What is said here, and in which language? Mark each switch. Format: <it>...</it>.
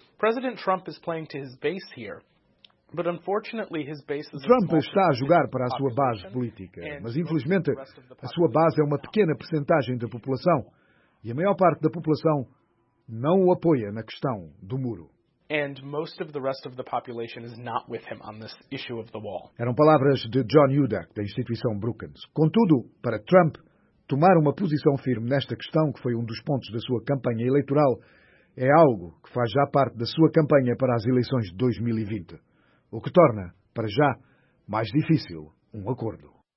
<en>President Trump is playing to his base here. But unfortunately, his base is</en> <pt>Trump está a jogar para a sua base política, mas infelizmente a sua base é uma pequena percentagem da população e a maior parte da população não o apoia na questão do muro.</pt> <en>And most of the rest of the population is not with him on this issue of the wall.</en> <pt>Eram palavras de John Udeck, da instituição Brookings. Contudo, para Trump, tomar uma posição firme nesta questão, que foi um dos pontos da sua campanha eleitoral, é algo que faz já parte da sua campanha para as eleições de 2020. O que torna, para já, mais difícil um acordo.</pt>